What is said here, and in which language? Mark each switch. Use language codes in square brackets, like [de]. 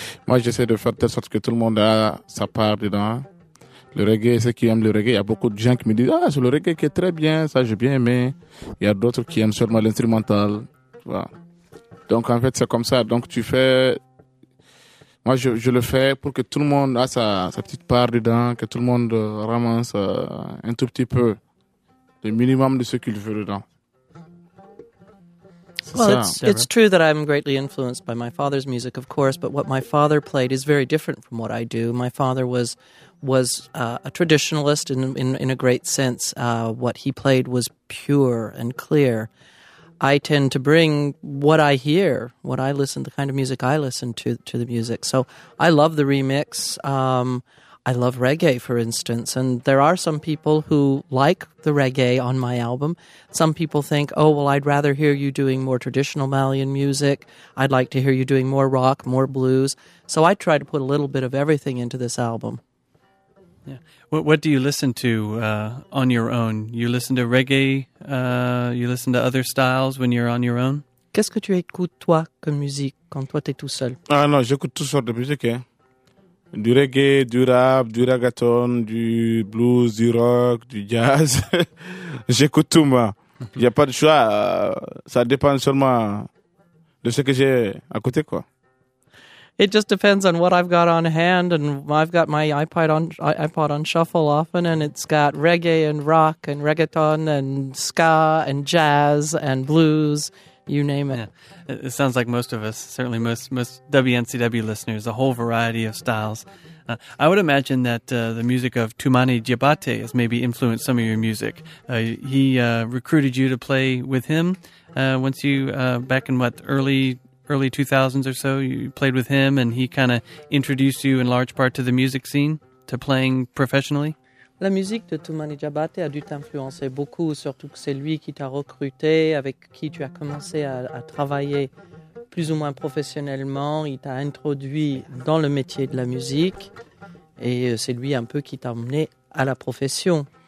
[fr] Moi, j'essaie de faire de telle sorte que tout le monde a sa part dedans. Le reggae, ceux qui aiment le reggae, il y a beaucoup de gens qui me disent « Ah, c'est le reggae qui est très bien, ça, j'ai bien aimé. » Il y a d'autres qui aiment seulement l'instrumental, tu vois. Donc, en fait, c'est comme ça. Donc, tu fais... Moi, je le fais pour que tout le monde a sa petite part dedans, que tout le monde ramasse un tout petit peu, le minimum de ce qu'il veut dedans. [en] Well, it's true that I'm greatly influenced by my father's music, of course, but what my father played is very different from what I do. My father was a traditionalist in a great sense. What he played was pure and clear. I tend to bring what I hear, what I listen, the kind of music I listen to the music. So I love the remix. I love reggae, for instance. And there are some people who like the reggae on my album. Some people think, oh, well, I'd rather hear you doing more traditional Malian music. I'd like to hear you doing more rock, more blues. So I try to put a little bit of everything into this album. Yeah. What do you listen to on your own? You listen to reggae? You listen to other styles when you're on your own? [fr] Qu'est-ce que tu écoutes toi comme musique quand toi t'es tout seul? Ah non, j'écoute toutes sortes de musique. Hein. Du reggae, du rap, du reggaeton, du blues, du rock, du jazz. J'écoute tout moi. J'ai pas de choix. Ça dépend seulement de ce que j'ai à côté, quoi. [en] It just depends on what I've got on hand, and I've got my iPod on shuffle often, and it's got reggae and rock and reggaeton and ska and jazz and blues, you name it. Yeah. It sounds like most of us, certainly most WNCW listeners, a whole variety of styles. I would imagine that the music of Tumani Diabate has maybe influenced some of your music. He recruited you to play with him back in the early 2000s or so. You played with him, and he kind of introduced you in large part to the music scene, to playing professionally. [fr] La musique de Tumani Diabate a dû t'influencer beaucoup, surtout que c'est lui qui t'a recruté, avec qui tu as commencé à travailler plus ou moins professionnellement. Il t'a introduit dans le métier de la musique, et c'est lui un peu qui t'a emmené à la profession.